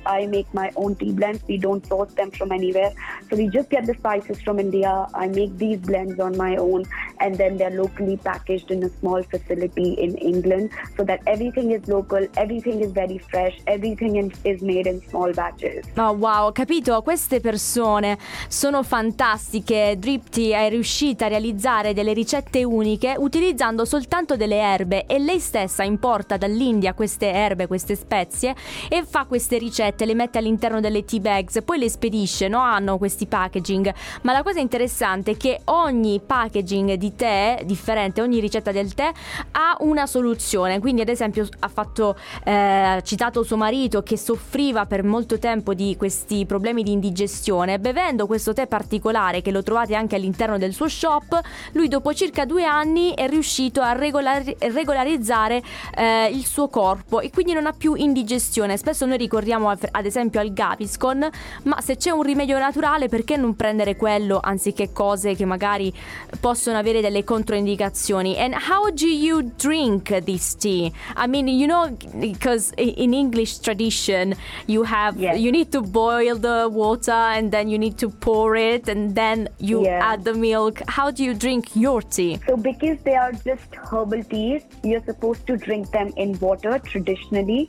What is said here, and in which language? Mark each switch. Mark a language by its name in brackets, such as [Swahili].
[English] I make my own tea blends. We don't source them from anywhere. So we just get the spices from India. I make these blends on my own, and then they're locally packaged in a small facility in England, so that everything is local, everything is very fresh, everything is made in small batches. [Italian] Oh, wow, capito. Queste persone sono fantastiche. Deepta è riuscita a realizzare delle ricette uniche utilizzando soltanto delle erbe, e lei stessa importa dall'India queste erbe, queste spezie, e fa queste ricette, le mette all'interno delle tea bags, poi le spedisce, no? Hanno questi packaging. Ma la cosa interessante è che ogni packaging di tè differente, ogni ricetta del tè ha una soluzione. Quindi, ad esempio, ha citato suo marito, che soffriva per molto tempo di questi problemi di indigestione. Bevendo questo tè particolare, che lo trovate anche all'interno del suo shop, lui dopo circa 2 anni è riuscito a regolarizzare il suo corpo, e quindi non ha più indigestione. Spesso noi ricorriamo ad esempio al Gaviscon, ma se c'è un rimedio naturale, perché non prendere quello anziché cose che magari possono avere delle controindicazioni? [English] And how do you drink this tea? I mean, you know, because in English tradition you need to boil the water, and then you need to pour it, and then you add the milk. How do you drink your tea? So because they are just herbal teas, you're supposed to drink them in water traditionally.